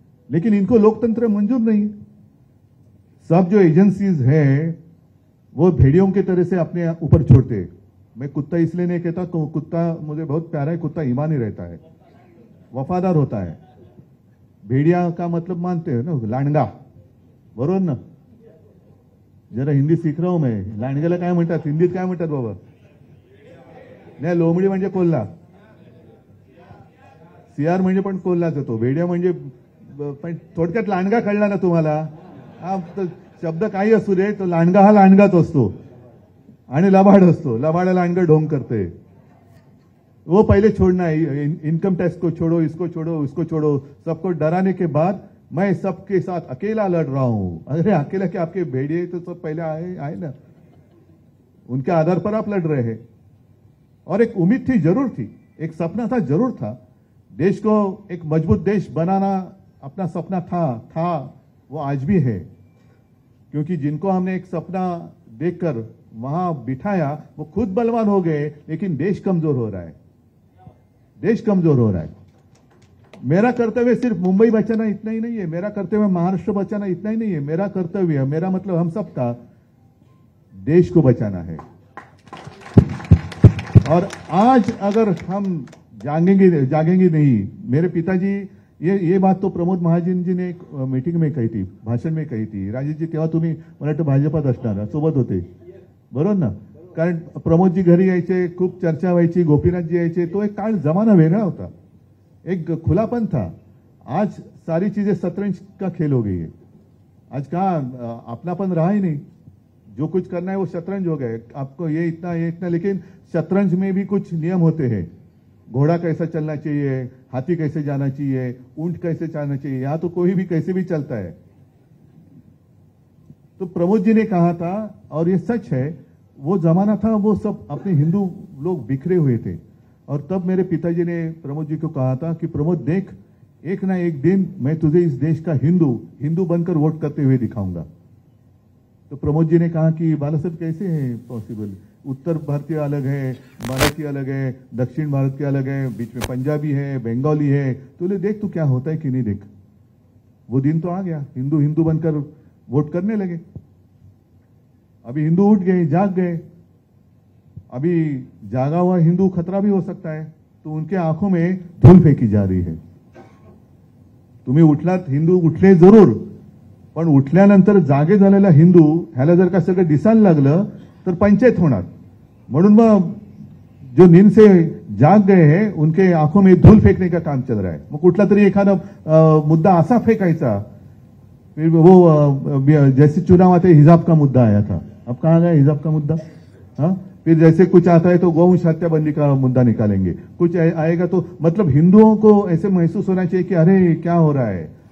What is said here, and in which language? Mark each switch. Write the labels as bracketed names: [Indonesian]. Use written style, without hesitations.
[Hindi] लेकिन इनको लोकतंत्र मंजूर नहीं है। सब जो एजेंसीज है वो भेड़ियों के तरह से अपने ऊपर छोड़ते। मैं कुत्ता इसलिए नहीं कहता, कुत्ता मुझे बहुत प्यारा है, कुत्ता ईमानी रहता है, वफादार होता है। भेड़िया का मतलब मानते हैं ना, [Marathi] लांडगा, बरोबर ना? [Hindi] जरा हिंदी सीख रहा हूं मैं, [Marathi] लांडगेला काय म्हणतात हिंदीत, काय म्हणतात बाबा? नाही, लोमडी म्हणजे कोल्हा, सियार म्हणजे पण कोल्हाच होतो, भेड़िया म्हणजे पण थोडक्यात लांडगा कळला ना तुम्हाला? शब्द काही असू दे, तो लांडगा हा लांडगाच असतो आणि लबाड असतो, लबाड लांडगा ढोंग करते. [Hindi] वो पहिले छोडना है, इनकम टैक्स को छोड़ो, इसको छोड़ो, उसको छोड़ो, सबको डराने के बाद मैं सबके साथ अकेला लड़ रहा हूं. अरे अकेला क्या, आपके भेड़िए तो सब पहले आए आए ना, उनके आधार पर आप लड़ रहे हैं. और एक उम्मीद थी, जरूर थी, एक सपना था, जरूर था, देश को एक मजबूत देश बनाना अपना सपना था, वो आज भी है. क्योंकि जिनको हमने एक सपना देखकर वहां बिठाया वो खुद बलवान हो गए, लेकिन देश कमजोर हो रहा है, देश कमजोर हो रहा है. मेरा कर्तव्य सिर्फ मुंबई बचाना इतना ही नहीं है, मेरा कर्तव्य महाराष्ट्र बचाना इतना ही नहीं है, मेरा कर्तव्य है, मेरा मतलब हम सबका, देश को बचाना है. और आज अगर हम जागेंगे नहीं, मेरे पिताजी ये बात तो प्रमोद महाजन जी ने एक मीटिंग में कही थी, भाषण में कही थी, [Marathi] राजेश जी तेव्हा तुम्ही मराठा भाजपात असणार सोबत होते, बरोबर ना? कारण प्रमोद जी घरी यायचे, खूप चर्चा व्हायची, गोपीनाथ जी यायचे, तो एक काळ जमाना वेगळा होता, [Hindi] एक खुलापन था. आज सारी चीजें शतरंज का खेल हो गई है. आज कहां अपनापन रहा ही नहीं, जो कुछ करना है वो शतरंज हो गए, आपको ये इतना. लेकिन शतरंज में भी कुछ नियम होते हैं, घोड़ा कैसा चलना चाहिए, हाथी कैसे जाना चाहिए, ऊंट कैसे चलना चाहिए, यहां तो कोई भी कैसे भी चलता है. तो प्रमोद जी ने कहा था, और ये सच है, वो जमाना था, वो सब अपने हिंदू लोग बिखरे हुए थे. और तब मेरे पिताजी ने प्रमोद जी को कहा था कि प्रमोद देख, एक ना एक दिन मैं तुझे इस देश का हिंदू बनकर वोट करते हुए दिखाऊंगा. तो प्रमोद जी ने कहा कि बाला साहब कैसे है पॉसिबल, उत्तर भारतीय अलग है, मराठी अलग है, दक्षिण भारत के अलग है, बीच में पंजाबी है, बंगाली है, तूले देख तू क्या होता है कि नहीं देख. वो दिन तो आ गया, हिंदू बनकर वोट करने लगे. अभी हिंदू उठ गए, जाग गए, अभी जागा हुआ हिंदू खतरा भी हो सकता है, तो उनके आंखों में धूल फेंकी जा रही है. [Marathi] तुम्ही उठला, हिंदू उठले जरूर, पण उठल्यानंतर जागे झालेला हिंदू ह्याला जर का सगळं दिसायला लागलं तर पंचायत होणार. म्हणून मग [Hindi] जो नींद से जाग गए है उनके आंखों में धूल फेंकने का काम चल रहा है. [Marathi] मग कुठला तरी एखादा मुद्दा असा फेंकायचा, [Hindi] वो जैसे चुनाव आते हिजाब का मुद्दा आया था, अब कहां गया हिजाब का मुद्दा? हा? फिर जैसे कुछ आता है तो गौवंश हत्याबंदी का मुद्दा निकालेंगे, कुछ आएगा तो मतलब हिंदुओं को ऐसे महसूस होना चाहिए कि अरे क्या हो रहा है.